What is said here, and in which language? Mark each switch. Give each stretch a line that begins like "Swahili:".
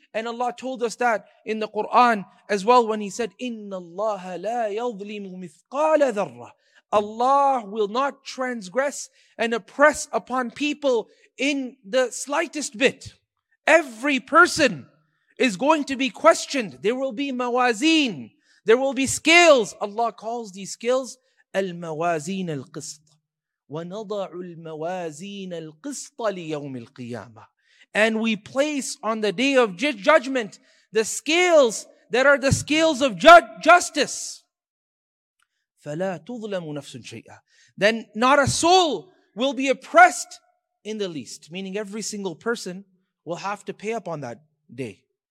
English: And Allah told us that in the Quran as well when He said,
Arabic: إِنَّ اللَّهَ لَا يَظْلِمُ مِثْقَالَ ذَرَّةٍ.
English: Allah will not transgress and oppress upon people in the slightest bit. Every person is going to be questioned. There will be mawazin. There will be scales. Allah calls these scales
Arabic: الْمَوَازِينَ الْقِسْطَ وَنَضَعُ الْمَوَازِينَ الْقِسْطَ لِيَوْمِ الْقِيَامَةِ.
English: And we place on the day of judgment the scales that are the scales of justice.
Arabic: فَلَا تُظْلَمُ نَفْسٌ شَيْئًا.
English: Then not a soul will be oppressed in the least. Meaning every single person will have to pay up on that day.